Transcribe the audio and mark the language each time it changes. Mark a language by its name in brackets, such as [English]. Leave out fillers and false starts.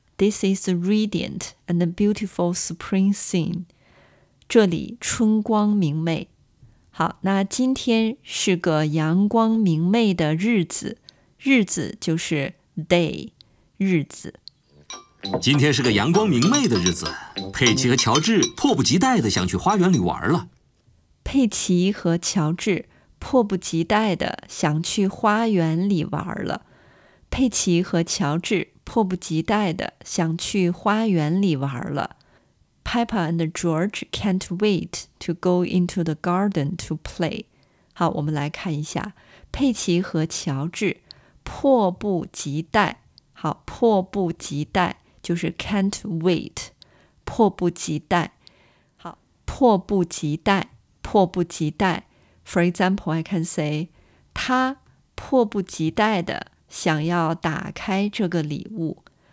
[English] This is a radiant and a beautiful spring scene. [Chinese] 这里春光明媚。好，那今天是个阳光明媚的日子。日子就是 day, 日子。今天是个阳光明媚的日子，佩奇和乔治迫不及待地想去花园里玩了。佩奇和乔治迫不及待地想去花园里玩了。佩奇和乔治迫不及待地想去花园里玩了。 [English] Peppa and George can't wait to go into the garden to play. [Chinese] 好，我们来看一下，佩奇和乔治迫不及待。好，迫不及待就是 [English] can't wait, [Chinese] 迫不及待。好，迫不及待，迫不及待。 [English] For example, I can say, [Chinese] 他迫不及待地想要打开这个礼物。